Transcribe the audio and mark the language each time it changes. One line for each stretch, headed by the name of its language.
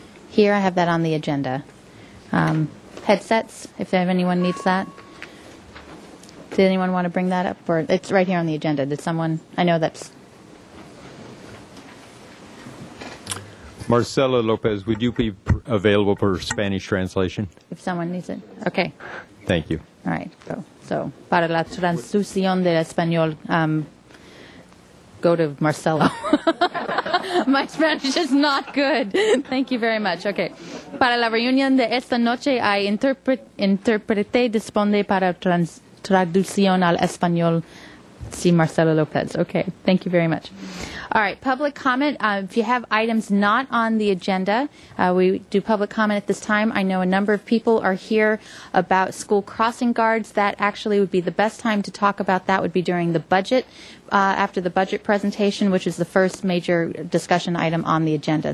English: Here, I have that on the agenda. Headsets, if anyone needs that. Did anyone want to bring that up? Or it's right here on the agenda. Did someone, I know that's. Marcela Lopez, would you be available for Spanish translation? If someone needs it, okay. Thank you. All right, go.
Spanish: So, para la transición del español,
English: go to
Spanish: Marcelo.
English: My Spanish is not good. Thank you very much. Okay.
Spanish: Para la reunión de esta noche, hay intérprete disponible para traducción al español.
English: Si Marcelo López. Okay. Thank you very much. All right. Public comment. If you have items not on the agenda, we do public comment at this time. I know a number of people are here about school crossing guards. That actually would be the best time to talk about that would be during the budget, after the budget presentation, which is the first major discussion item on the agenda.